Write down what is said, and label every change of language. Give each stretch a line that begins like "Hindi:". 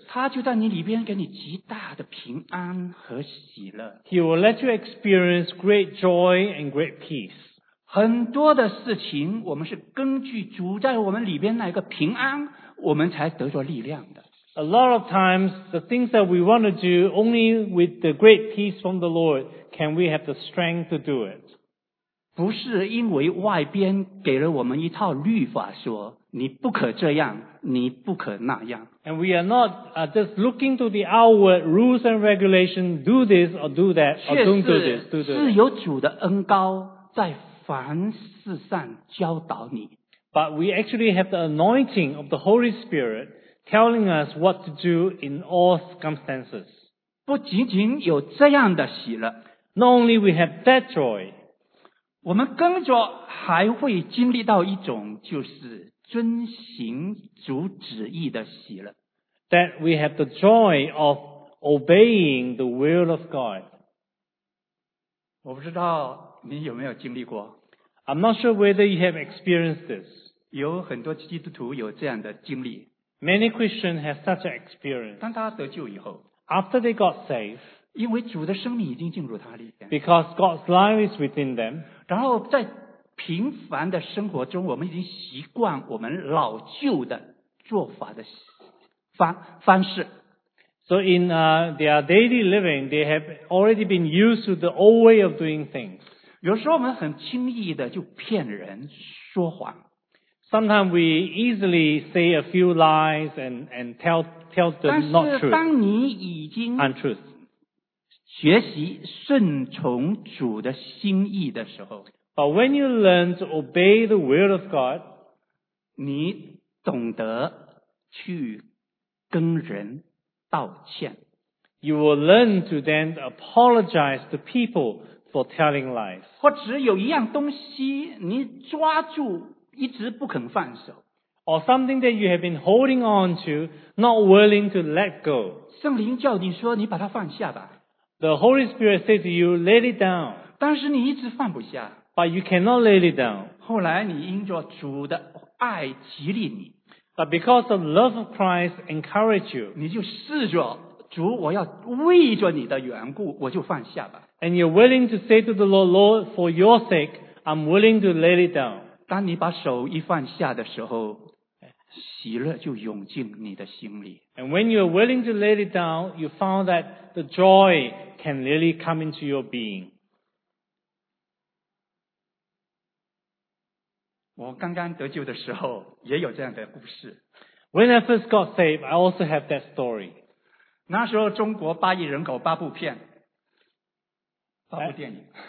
Chinese: 他就在你里边给你极大的平安和喜乐。
English: He will let you experience great joy and great peace.
Chinese: 很多的事情我们是根据主在我们里边那个平安，我们才得着力量的。
English: A lot of times, the things that we want to do only with the great peace from the Lord can we have the strength to do it.
Chinese: 不是因为外边给了我们一套律法说你不可这样，你不可那样。
English: And we are not just looking to the outward rules and regulations, do this or do that, or don't do this, do that.
Chinese: 是有主的恩膏在凡事上教导你。
English: But we actually have the anointing of the Holy Spirit,telling us what to do in all circumstances.
Chinese: 不仅仅有这样的喜乐，
English: Not only we have that joy,
Chinese: 我们跟着还会经历到一种就是遵行主旨意的喜乐。
English: That we have the joy of obeying the will of God.
Chinese: 我不知道你有没有经历过。
English: I'm not sure whether you have experienced this.
Chinese: 有很多基督徒有这样的经历。
English: Many Christians have such an experience.
Chinese: 当他得救以后，
English: After they got saved,
Chinese: 因为主的生命已经进入他里边，
English: Because God's life is within them.
Chinese: 然后在平凡的生活中，我们已经习惯我们老旧的做法的方式。
English: So in their daily living, they have already been used to the old way of doing things.
Chinese: 有时候我们很轻易的就骗人说谎。
English: Sometimes we easily say a few lies and tell the not truth.
Chinese: 但是当你已经
English: untruth,
Chinese: 学习顺从主的心意的时候，
English: But when you learn to obey the will of God,
Chinese: 你懂得去跟人道歉。
English: You will learn to then apologize to people for telling lies.
Chinese: 或者有一样东西你抓住一直不肯放手，
English: or something that you have been holding on to, not willing to let go.
Chinese: 圣灵叫你说，你把它放下吧。
English: The Holy Spirit says to you, let it down.
Chinese: 但是你一直放不下。
English: But you cannot let it down.
Chinese: 后来你因着主的爱激励你。
English: But because the love of Christ encourage you.
Chinese: 你就试着主，我要为着你的缘故，我就放下吧。
English: And you're willing to say to the Lord, Lord, for your sake, I'm willing to let it down.
Chinese: 当你把手一放下的时候，喜乐就涌进你的心里。
English: And when you are willing to lay it down, you found that the joy can really come into your being.
Chinese: 我刚刚得救的时候也有这样的故事。
English: When I first got saved, I also have that story.
Chinese: 那时候中国八亿人口八部片，八部电影。